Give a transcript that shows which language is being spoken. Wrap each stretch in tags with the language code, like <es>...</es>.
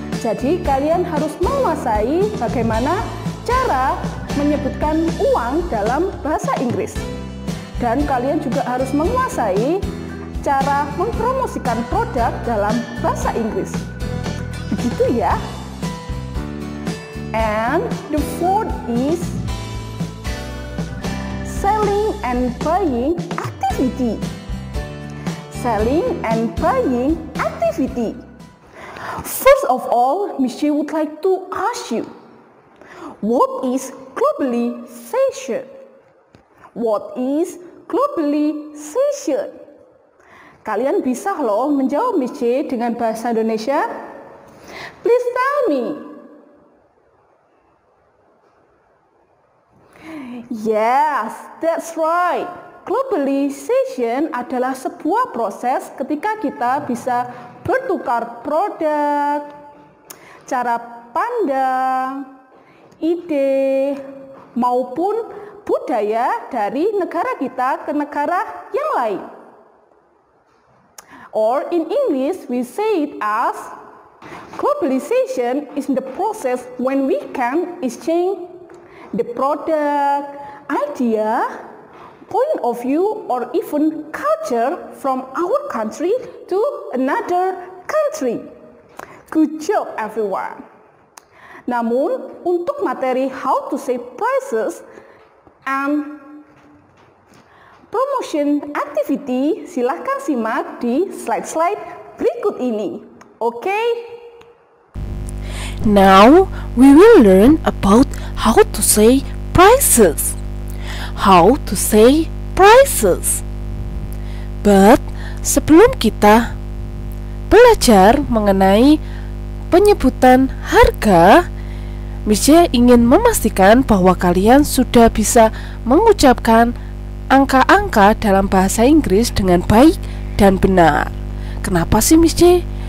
<id>Jadi kalian harus menguasai bagaimana cara menyebutkan uang dalam bahasa Inggris. Dan kalian juga harus menguasai cara mempromosikan produk dalam bahasa Inggris. Begitu ya.</id> <en>And the fourth is selling and buying activity. Selling and buying activity. First of all, Michi would like to ask you, what is globalization? What is globalization?</en> <id>Kalian bisa loh menjawab Michi dengan bahasa Indonesia.</id> <en>Please tell me. Yes, that's right.</en> <id>Globalization adalah sebuah proses ketika kita bisa bertukar produk, cara pandang, ide, maupun budaya dari negara kita ke negara yang lain.</id> <en>Or in English, we say it as globalization is the process when we can exchange the product, idea, point of view, or even culture from our country to another country. Good job, everyone.</en> <id>Namun, untuk materi</id> <en>how to say prices and promotion activity,</en> <id>silakan simak di slide-slide berikut ini.</id> <en>Okay? Now, we will learn about how to say prices. How to say prices. But</en> <id>sebelum kita belajar mengenai penyebutan harga, Mirce ingin memastikan bahwa kalian sudah bisa mengucapkan angka-angka dalam bahasa Inggris dengan baik dan benar. Kenapa sih Mirce?</id>